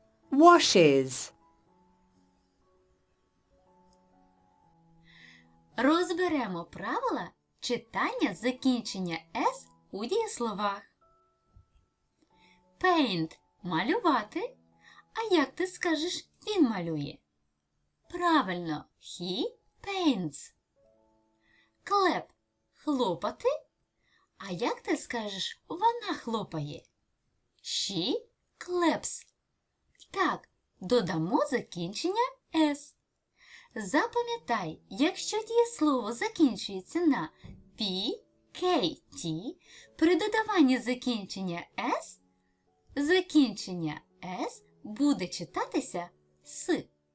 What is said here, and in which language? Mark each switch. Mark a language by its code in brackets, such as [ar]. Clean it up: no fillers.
[en] Washes. [uk] Розберемо правила читання закінчення S у дієсловах. [en] Paint – [uk] малювати. А як ти скажеш, він малює? Правильно, [en] he paints. Clap [uk] – хлопати. А як ти скажеш, вона хлопає? [en] She claps. [uk] Так, додамо закінчення S. Запам'ятай, якщо дієслово закінчується на P, K, T, при додаванні закінчення S, закінчення S буде читатися S.